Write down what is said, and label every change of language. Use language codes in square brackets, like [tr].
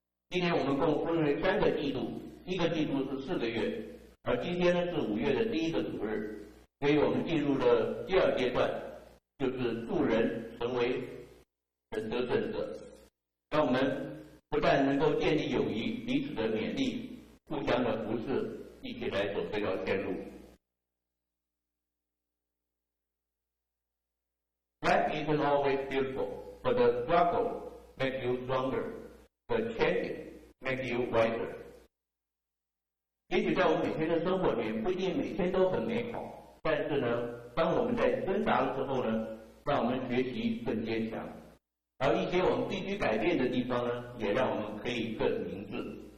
[zh] 今年我们共分为三个季度，一个季度是四个月，而今天是五月的第一个主日，所以我们进入了第二阶段，就是助人成为人得胜者。让我们不但能够建立友谊，彼此的勉励，互相的扶持，一起来走这条天路。 [en] Life isn't always beautiful, but the struggle makes you stronger. The change makes you wiser. [zh] 也许在我们每天的生活里，不一定每天都很美好，但是呢，当我们在挣扎的时候呢，让我们学习更坚强。而一些我们必须改变的地方呢，也让我们可以更明智。